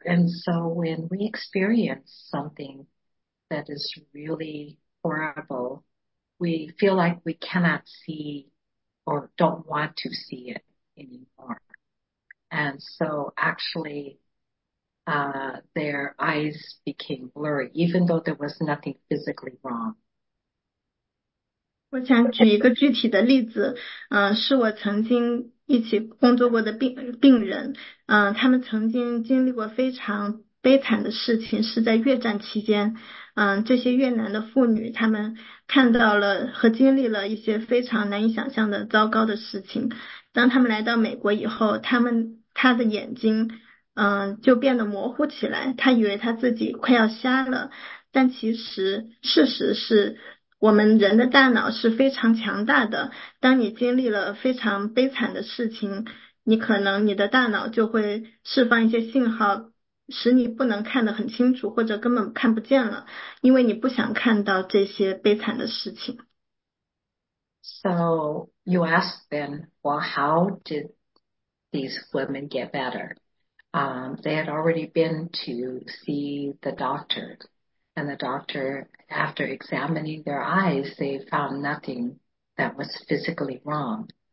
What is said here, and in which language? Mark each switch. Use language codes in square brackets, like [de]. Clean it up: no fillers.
[en] And so when we experience something that is really horrible, we feel like we cannot see or don't want to see it anymore. And so actually their eyes became blurry, even though there was nothing physically wrong. [zh] 我想举一个具体的例子，是我曾经一起工作过的病人，他们曾经经历过非常悲惨的事情，是在越战期间，这些越南的妇女，他们看到了和经历了一些非常难以想象的糟糕的事情。当他们来到美国以后，他的眼睛，就变得模糊起来，他以为他自己快要瞎了，但其实事实是。我们人的大脑是非常强大的，当你经历了非常悲惨的事情，你可能你的大脑就会释放一些信号，使你不能看得很清楚，或者根本看不见了，因为你不想看到这些悲惨的事情。 [en] So you ask them, well, how did these women get better? They had already been to see the doctor. And the doctor, after examining their eyes, they found nothing that was physically wrong.